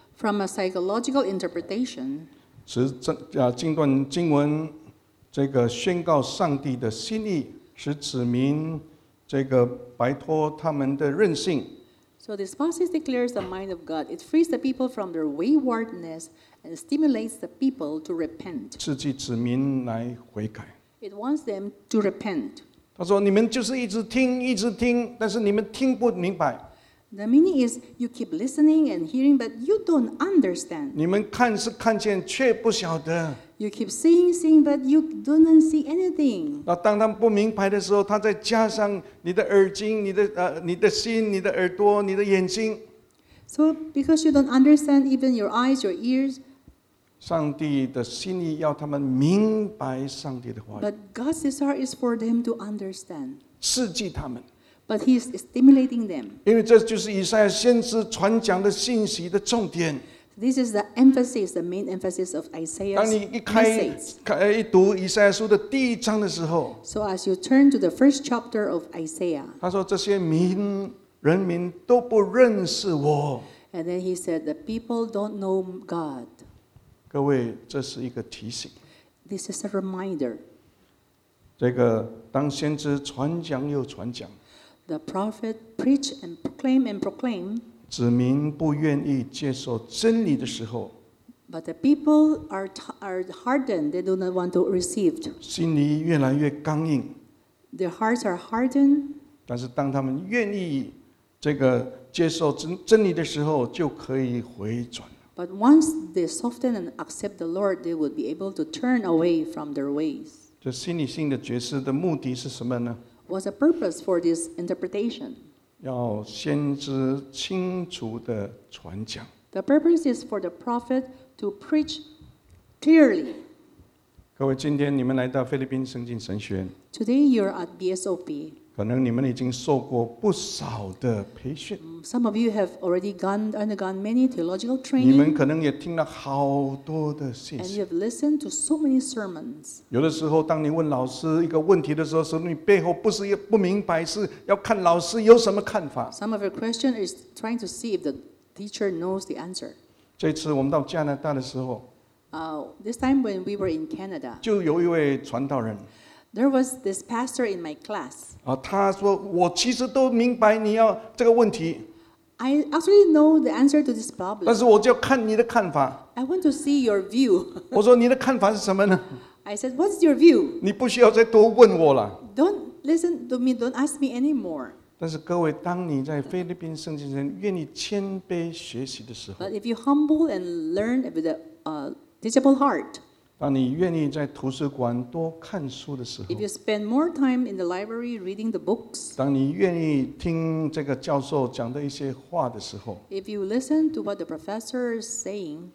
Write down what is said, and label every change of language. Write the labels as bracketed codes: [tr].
[en] From a psychological interpretation, [zh] 经段经文这个宣告上帝的心意，使子民这个摆脱他们的任性。 [en] So this passage declares the mind of God. It frees the people from their waywardness and stimulates the people to repent. [zh] 刺激子民来悔改。 [en] It wants them to repent. [zh] 他说：“你们就是一直听，一直听，但是你们听不明白。” [en] The meaning is you keep listening and hearing, but you don't understand. [zh] 你们看是看见，却不晓得。 [en] You keep seeing, seeing, but you don't see anything. [zh] 那当他不明白的时候，他再加上你的耳睛、你的心、你的耳朵、你的眼睛。 [en] So because you don't understand, even your eyes, your ears. [zh] 上帝的心意要他们明白上帝的话语。 [en] But God's desire is for them to understand. [zh] 刺激他们。 [en] But He is stimulating them. [zh] 因为这就是以赛亚先知传讲的信息的重点。 [en] This is the emphasis, the main emphasis of Isaiah's message. [zh] 当你一读以赛亚书的第一章的时候 [en] ，So as you turn to the first chapter of Isaiah, [zh] 他说这些人民都不认识我。 [en] And then he said, the people don't know God. [zh] 各位，这是一个提醒。 [en] This is a reminder. [zh] 这个当先知传讲又传讲 [en] ，The prophet preach and proclaim and proclaim. [zh] 子民不愿意接受真理的时候 [en] ，But the people are hardened. They do not want to receive. [zh] 心里越来越刚硬 [en] ，Their hearts are hardened. [zh] 但是当他们愿意这个接受真理的时候，就可以回转。 [en] But once they soften and accept the Lord, they would be able to turn away from their ways. [zh] 这心理性的觉知的目的是什么呢 [en] ？What's the purpose for this interpretation? [zh] 要先知清楚的传讲。 [en] The purpose is for the prophet to preach clearly. [zh] 各位，今天你们来到菲律宾圣经神学院。 [en] Today you are at BSOP. [zh] 可能你们已经受过不少的培训。 [en] Some of you have already undergone many theological training. [zh] 你们可能也听了好多的信息。 [en] And you have listened to so many sermons. [zh] 有的时候，当你问老师一个问题的时候，你背后不是不明白，是要看老师有什么看法。 [en] Some of your question is trying to see if the teacher knows the answer. [zh] 这次我们到加拿大的时候 [en] this time when we were in Canada, [zh] 就有一位传道人。 [en] There was this pastor in my class. [zh] 他说我其实都明白你要这个问题。 [en] I actually know the answer to this problem. [zh] 但是我就要看你的看法。 [en] I want to see your view. [zh] 我说你的看法是什么呢 [en] ？I said, what's your view? [zh] 你不需要再多问我了。 [en] Don't listen to me. Don't ask me anymore. [zh] 但是各位，当你在菲律宾圣经上愿意谦卑学习的时候 [en] ，But if you humble and learn with a teachable heart. [zh] 当你愿意在图书馆多看书的时候 [en] ，If you spend more time in the library reading the books， [zh] 当你愿意听这个教授讲的一些话的时候 [en] ，If you listen to what the professor is saying，